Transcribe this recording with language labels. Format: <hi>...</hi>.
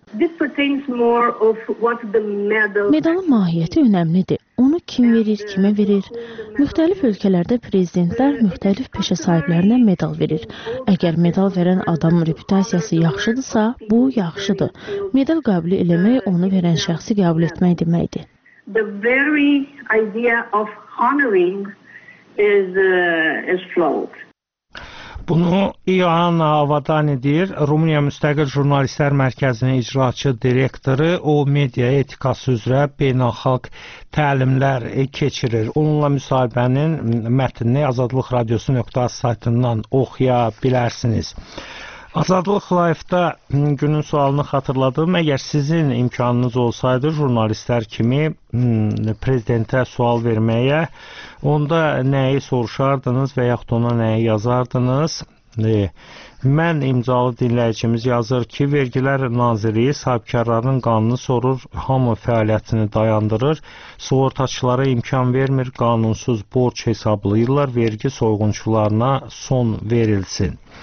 <az>Medalın mahiyyəti önəmlidir. Onu kim verir, kimə verir? Müxtəlif ölkələrdə prezidentlər müxtəlif peşə sahiblərinə medal verir. Əgər medal verən adamın reputasiyası yaxşıdırsa, bu yaxşıdır. Medal qəbul eləmək onu verən şəxsi qəbul etmək deməkdir.</az> <en>The very idea of honoring is flawed.</en> <az>Bunu İoana Avadani deyir, Rumıniya Müstəqil Jurnalistlər Mərkəzinin icraçı direktoru, o media etikası üzrə beynəlxalq təlimlər keçirir. Onunla müsahibənin mətnini Azadlıq Radiosu.az saytından oxuya bilərsiniz. Azadlıq Live-da günün sualını xatırladım. Əgər sizin imkanınız olsaydı jurnalistlər kimi prezidentə sual verməyə, onda nəyi soruşardınız və yaxud ona nəyi yazardınız? Mən imzalı dinləyicimiz yazır ki, Vergilər Nazirliyi sahibkarların qanunu sorur, hamı fəaliyyətini dayandırır, sığortaçılara imkan vermir, qanunsuz borc hesablayırlar, vergi soyğunçularına son verilsin.</az>